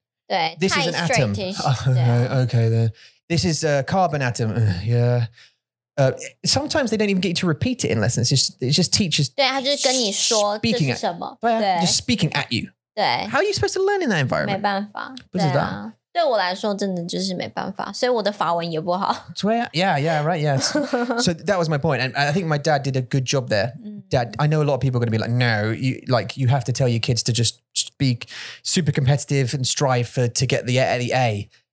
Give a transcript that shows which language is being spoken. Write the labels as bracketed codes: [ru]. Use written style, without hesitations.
[zh] 对, [en] this is an atom. Okay, then. This is a carbon atom. Sometimes they don't even get you to repeat it in lessons. It's just teachers [zh] 对,他就跟你说 [en] speaking at, [zh] 对, [en] just speaking at you. [zh] 对, [en] how are you supposed to learn in that environment? [zh] 没办法。不知道。对我来说真的就是没办法,所以我的法文也不好。 [en] yeah, right, yes. So that was my point. And I think my dad did a good job there. Dad, I know a lot of people are going to be like, no, you have to tell your kids to just be super competitive and strive to get the A.